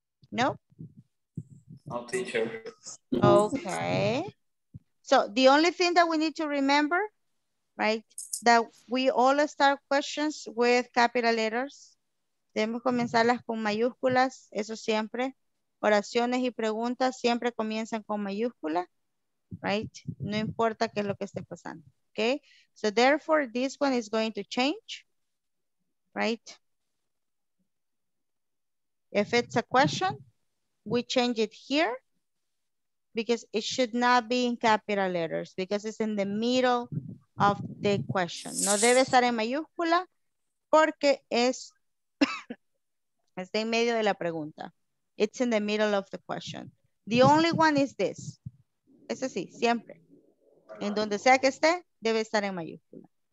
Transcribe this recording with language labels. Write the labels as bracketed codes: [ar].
[en] No? No, teacher. Okay. So the only thing that we need to remember, right, that we all start questions with capital letters. [es] Debemos comenzarlas con mayúsculas, eso siempre. Oraciones y preguntas siempre comienzan con mayúscula, [en] right? [es] No importa qué es lo que esté pasando, okay? [en] So therefore, this one is going to change, right? If it's a question, we change it here. Because it should not be in capital letters, because it's in the middle of the question. [es] No debe estar en mayúscula porque es está en medio de la pregunta. [en] It's in the middle of the question. The only one is this. [es] Ese sí, siempre. En donde sea que esté, debe estar en mayúscula.